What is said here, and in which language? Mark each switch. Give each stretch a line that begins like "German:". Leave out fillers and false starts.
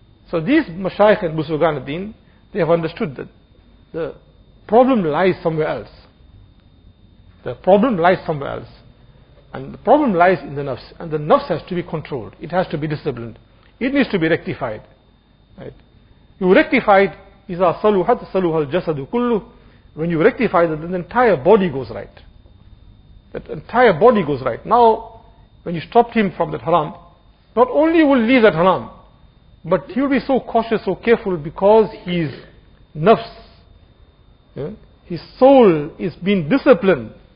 English: So these mashayikh and busughan ad-din, they have understood that the problem lies somewhere else. The problem lies somewhere else. And the problem lies in the nafs. And the nafs has to be controlled. It has to be disciplined. It needs to be rectified. Right? You rectify it,
Arabic: إِذَا صَلُوحَتْ صَلُوحَ الْجَسَدُ كُلُّهُ.
English: When you rectify that, then the entire body goes right. That entire body goes right. Now, when you stopped him from that haram, not only will he leave that haram, but he will be so cautious, so careful, because his nafs, his soul is being disciplined.